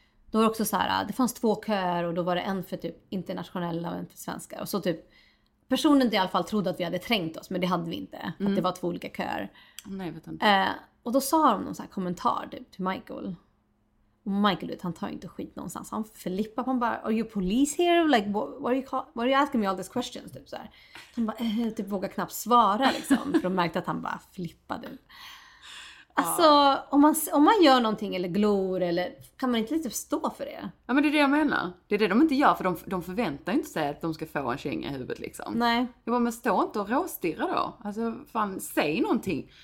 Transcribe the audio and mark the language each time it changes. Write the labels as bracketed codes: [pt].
[sv] Då var också så här, det fanns två köer och då var det en för typ internationella och en för svenska. Och så typ, personen i alla fall trodde att vi hade trängt oss, men det hade vi inte. Mm. Att det var två olika köer. Nej, vet inte. Och då sa de någon så här kommentar typ, till Michael. Och Michael, du vet, han tar inte skit någonstans. Han flippar på honom bara, [en] are you police here? Like, what are you asking me all these questions? [sv] Typ så här. Han bara, typ vågar knappt svara liksom. För de märkte att han bara flippade. Alltså, om man gör någonting eller glor, eller kan man inte lite stå för det? Ja, men det är det jag menar. Det är det de inte gör, för de förväntar inte sig att de ska få en känga i huvudet liksom. Nej. Jag bara, men stå inte och råstirra då. Alltså, fan, säg någonting.